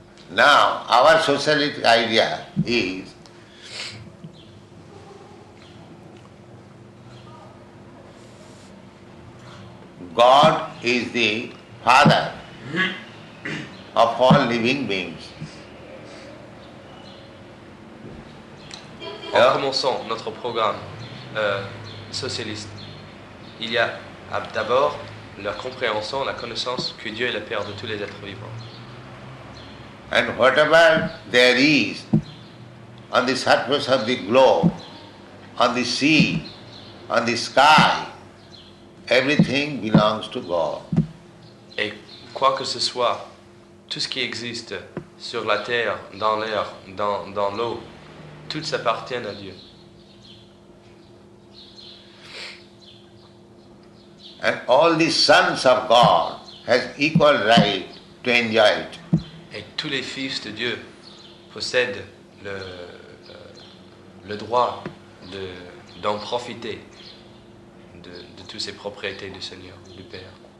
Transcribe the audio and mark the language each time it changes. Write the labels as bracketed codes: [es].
[en] Now, our socialist idea is God is the father of all living beings. [fr] En commençant notre programme socialiste, il y a d'abord la compréhension, la connaissance que Dieu est le père de tous les êtres vivants. [en] And whatever there is on the surface of the globe, on the sea, on the sky, everything belongs to God. [fr] Et quoi que ce soit, tout ce qui existe sur la terre, dans l'air, dans l'eau, tout s'appartient à Dieu. [en] And all the sons of God has equal right to enjoy it. [fr] Et tous les fils de Dieu possèdent le droit d'en profiter de toutes ces propriétés du Seigneur, du Père.